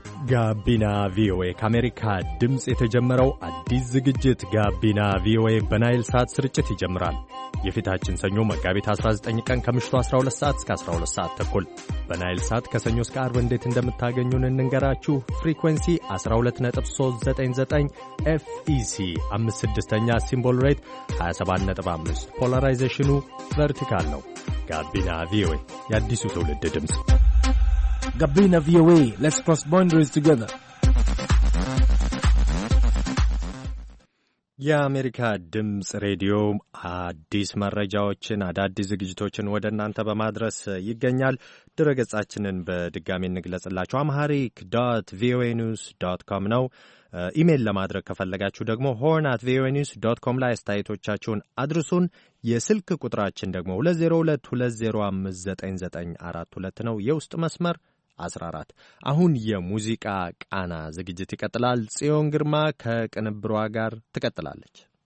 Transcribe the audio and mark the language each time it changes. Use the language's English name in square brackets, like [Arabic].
[Amharic] ጋቢና ቪኦኤ ከአሜሪካ ድምፅ የተጀመረው አዲስ ዝግጅት ጋቢና ቪኦኤ በናይል ሳት ስርጭት ይጀምራል። የፊታችን ሰኞ መጋቢት 19 ቀን ከምሽቱ 12 ሰዓት እስከ 12 ሰዓት ተኩል በናይል ሳት ከሰኞ እስከ አርብ እንዴት እንደምታገኙን እንንገራችሁ። ፍሪኩዌንሲ 12.399 ኤፍኢሲ 56ኛ ሲምቦል ሬት 27.5 ፖላራይዜሽኑ ቨርቲካል ነው። ጋቢና ቪኦኤ የአዲሱ ትውልድ ድምፅ። [English] Gabina VOA, let's cross boundaries together. [Amharic] የአሜሪካ ድምፅ ሬዲዮ አዲስ መረጃዎችን አዳዲስ ዝግጅቶችን ወደ እናንተ በማድረስ ይገኛል። ድረገጻችንን በድጋሚ እንግለጽላችሁ፣ አምሃሪክ ዶት ቪኦኤ ኒውስ ዶት ኮም ነው። ኢሜይል ለማድረግ ከፈለጋችሁ ደግሞ ሆርን አት ቪኦኤ ኒውስ ዶት ኮም ላይ አስተያየቶቻችሁን አድርሱን። የስልክ ቁጥራችን ደግሞ 2022059942 ነው፣ የውስጥ መስመር 14። አሁን የሙዚቃ ቃና ዝግጅት ይቀጥላል። ጽዮን ግርማ ከቅንብሯ ጋር ትቀጥላለች።